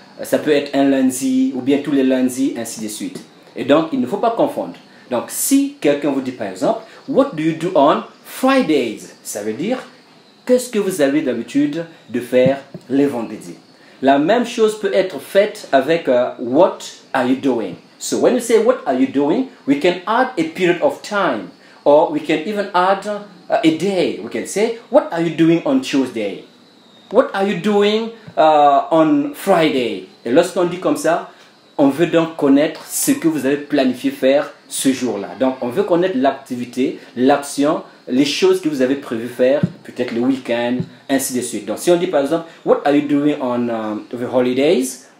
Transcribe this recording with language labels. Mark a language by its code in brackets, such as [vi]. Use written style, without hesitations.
[fr] Ça peut être un lundi ou bien tous les lundis, ainsi de suite. Et donc, il ne faut pas confondre. Donc, si quelqu'un vous dit par exemple « [en] What do you do on Fridays ?» [fr] Ça veut dire « Qu'est-ce que vous avez d'habitude de faire les vendredis ?» La même chose peut être faite avec « [en] What are you doing ?» So, when you say « What are you doing ?» we can add a period of time. Or we can even add a day. We can say « What are you doing on Tuesday ?» « What are you doing on Friday ?» [fr] Et lorsqu'on dit comme ça, on veut donc connaître ce que vous avez planifié faire ce jour-là. Donc, on veut connaître l'activité, l'action, les choses que vous avez prévu faire, peut-être le week-end, ainsi de suite. Donc, si on dit par exemple, « [en] What are you doing on the holidays ?»